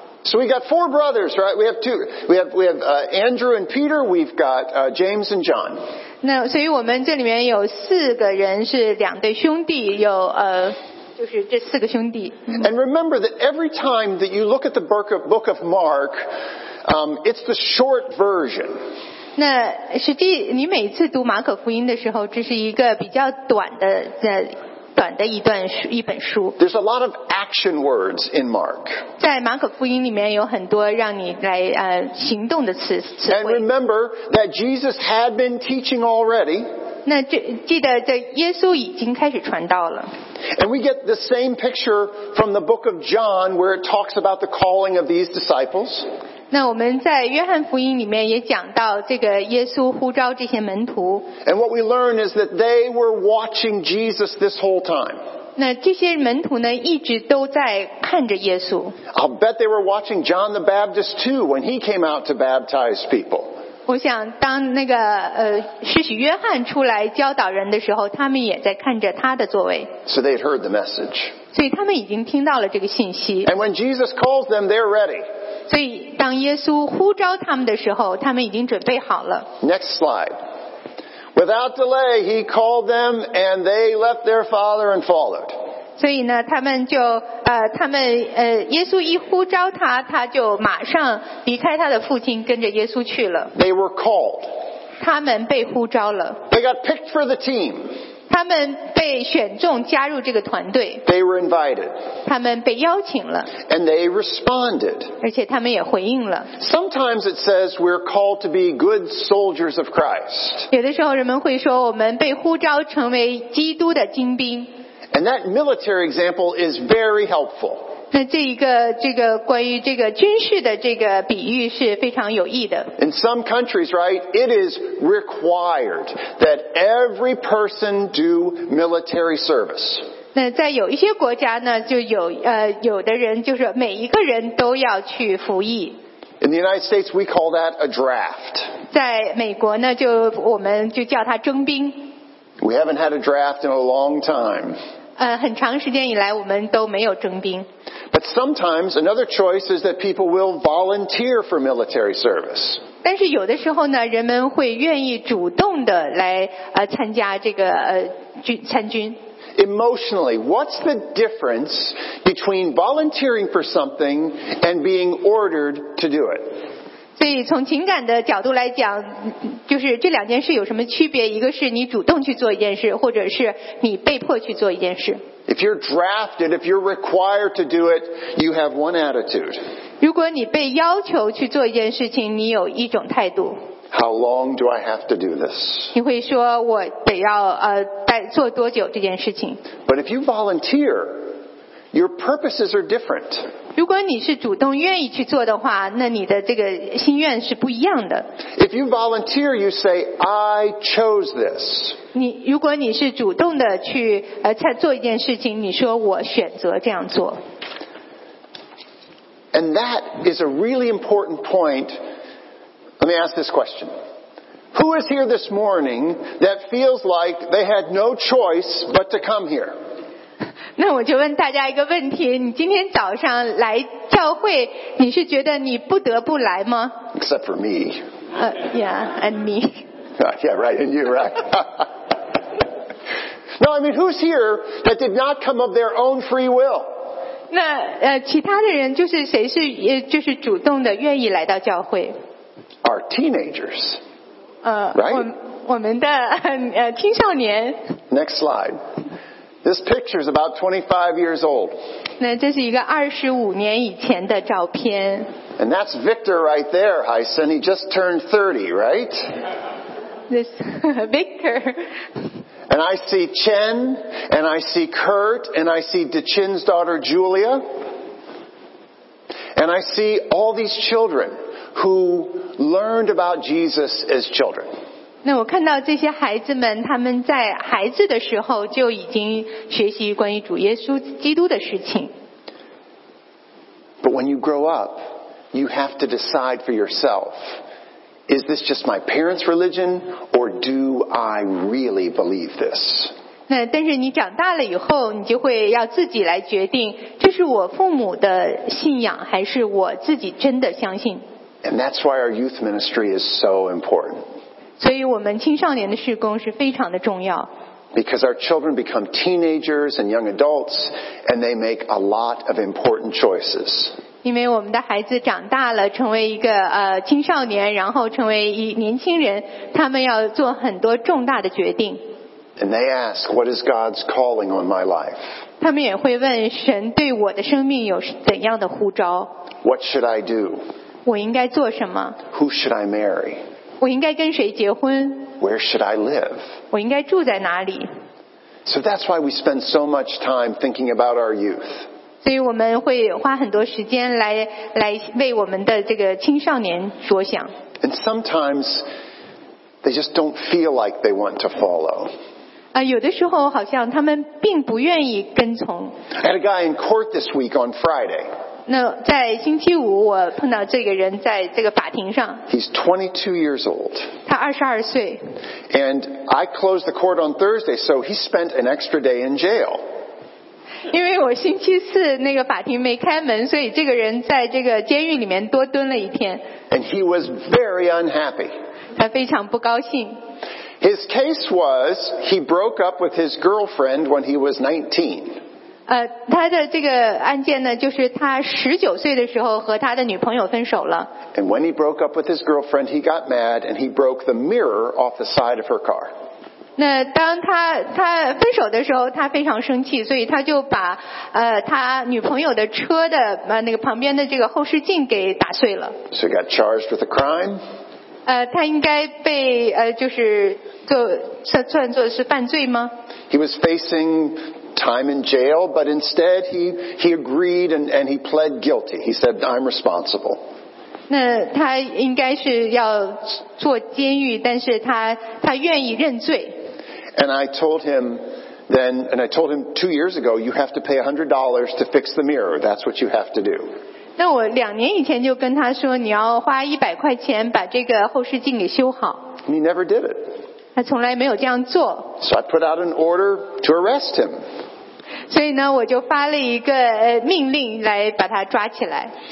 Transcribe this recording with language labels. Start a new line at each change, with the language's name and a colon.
English: So we got four brothers, right? We have two. We have Andrew and Peter. We've got James and John.
Chinese: 那所以我们这里面有四个人是两对兄弟，有就是这四个兄弟。
English: And remember that every time that you look at the book of Mark, it's the short version.
Chinese: 那实际你每次读马可福音的时候，这是一个比较短的一本书。
English: There's a lot of action words in Mark.
Chinese: 在马可福音里面有很多让你来行动的词。
English: And remember that Jesus had been teaching already.
Chinese: 那记得这耶稣已经开始传道了。
English: And we get the same picture from the book of John, where it talks about the calling of these disciples.
Chinese: 那我们在约翰福音里面也讲到这个耶稣呼召这些门徒。
English: And what we learn is that they were watching Jesus this whole time.
Chinese: 那这些门徒呢，一直都在看着耶稣。
English: I'll bet they were watching John the Baptist too when he came out to baptize people.
Chinese: 我想当那个施洗约翰出来教导人的时候，他们也在看着他的作为。
English: So they had heard the message.
Chinese: 所以他们已经听到了这个信息。
English: And when Jesus calls them, they're ready.
Chinese: 所以当耶稣呼召他们的时候，他们已经准备好了。
English: Next slide. Without delay, he called them, and they left their father and followed.
Chinese: 所以呢，他们就耶稣一呼召他，他就马上离开他的父亲，跟着耶稣去了。
English: They were called.
Chinese: 他们被呼召了。
English: They got picked for the team.
Chinese: 他们被选中加入这个团队。
English: They were invited.
Chinese: 他们被邀请了。
English: And they responded.
Chinese: 而且他们也回应了。
English: Sometimes it says we're called to be good soldiers of Christ.
Chinese: 有的时候人们会说，我们被呼召成为基督的精兵。
English: And that military example is very helpful.
Chinese: 那这个关于这个军事的这个比喻是非常有益的。
English: In some countries, right, it is required that every person do military service.
Chinese: 那在有一些国家呢，就有有的人就是每一个人都要去服役。
English: In the United States, we call that a draft.
Chinese: 在美国呢，就我们就叫它征兵。
English: We haven't had a draft in a long time.
Chinese: 很长时间以来我们都没有征兵。
English: But sometimes another choice is that people will volunteer for military service.
Chinese: 但是有的时候呢，人们会愿意主动的来参加这个参军。
English: Emotionally, what's the difference between volunteering for something and being ordered to do it?
Chinese: 所以从情感的角度来讲，就是这两件事有什么区别？一个是你主动去做一件事，或者是你被迫去做一件事。
English: If you're drafted, if you're required to do it, you have one attitude.
Chinese: 如果你被要求去做一件事情，你有一种态度。
English: How long do I have to do this?
Chinese: 你会说我得要再做多久这件事情。
English: But if you volunteer, your purposes are different.
Chinese: 如果你是主动愿意去做的话，那你的这个心愿是不一样的。
English: If you volunteer, you say, I chose this.
Chinese: 你如果你是主动的去做一件事情，你说我选择这样做。
English: And that is a really important point. Let me ask this question. Who is here this morning that feels like they had no choice but to come here?
Chinese: 那我就问大家一个问题，你今天早上来教会，你是觉得你不得不来吗？
English: Except for me. Yeah, and me. Yeah, right, and you, right. No, I mean, who's here that did not come of their own free will?
Chinese: 那其他的人就是谁是就是主动的愿意来到教会？
English: Our teenagers. Right?
Chinese: 我们的青少年。
English: Next slide. This picture is about 25 years old.
Chinese: 那这是一个25年以前的照片。
English: And that's Victor right there, Heisen. He just turned 30, right? This Victor. And I see Chen, and I see Kurt, and I see DeChin's daughter Julia. And I see all these children who learned about Jesus as children.
Chinese: 那我看到这些孩子们，他们在孩子的时候就已经学习关于主耶稣基督的事情。
English: But when you grow up, you have to decide for yourself, is this just my parents' religion, or do I really believe this?
Chinese: 那但是你长大了以后，你就会要自己来决定，这是我父母的信仰，还是我自己真的相信。
English: And that's why our youth ministry is so important.
Chinese: 所以我们青少年的事工是非常的重要。
English: Because our children become teenagers and young adults, and they make a lot of important choices.
Chinese: 因为我们的孩子长大了，成为一个青少年，然后成为一年轻人，他们要做很多重大的决定。
English: And they ask, "What is God's calling on my life?"
Chinese: 他们也会问神对我的生命有怎样的呼召。
English: What should I do?
Chinese: 我应该做什么
English: ？Who should I marry?
Chinese: 我应该跟谁结婚？
English: Where should I live?
Chinese: 我应该住在哪里
English: ？So that's why we spend so much time thinking about our youth.
Chinese: 所以我们会花很多时间来为我们的这个青少年着想。
English: And sometimes they just don't feel like they want to follow.
Chinese: 有的时候好像他们并不愿意跟从。
English: I had a guy in court this week on Friday.
Chinese: 那在星期五我碰到这个人在这个法庭上。
English: He's 22 years old.
Chinese: 他22岁。
English: And I closed the court on Thursday, so he spent an extra day in jail.
Chinese: 因为我星期四那个法庭没开门，所以这个人在这个监狱里面多蹲了一天。
English: And he was very unhappy.
Chinese: 他非常不高兴。
English: His case was he broke up with his girlfriend when he was 19.
Chinese: 他的这个案件呢，就是他十九岁的时候和他的女朋友分手了。
English: And when he broke up with his girlfriend, he got mad and he broke the mirror off the side of her car.
Chinese: 那当他分手的时候，他非常生气，所以他就把他女朋友的车的那个旁边的这个后视镜给打碎了。
English: So he got charged with a crime.
Chinese: 他应该被就是做算作是犯罪吗
English: ？He was facing time in jail, but instead he agreed and he pled guilty. He said, "I'm responsible."
Chinese: 那他应该是要坐监狱，但是他愿意认罪。
English: And I told him then, and I told him 2 years ago, you have to pay $100 to fix the mirror. That's what you have to do.
Chinese: 那我两年以前就跟他说，你要花100块钱把这个后视镜给修好。
English: He never did it.
Chinese: 他从来没有这样做。
English: So I put out an order to arrest him.
Chinese: 所以呢，我就发了一个命令来把他抓起来。